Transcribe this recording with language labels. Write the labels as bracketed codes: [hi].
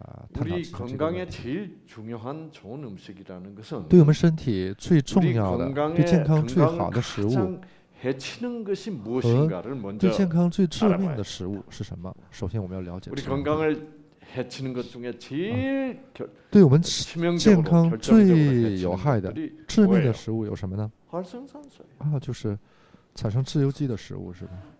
[ko] 우리 건강에 제일 중요한 좋은 음식이라는 것은 [zh] 对我们身体最重要的对健康最好的食物 [ko] 해치는 것이 무엇인가를 먼저 [zh] 健康最致命的食物是什么? 首先我们要了解 [ko] 우리 건강을 해치는 것 중에 제일 [zh] 对我们健康最有害的致命的食物有什么呢? 활성산소就是产生自由基的食物是吧?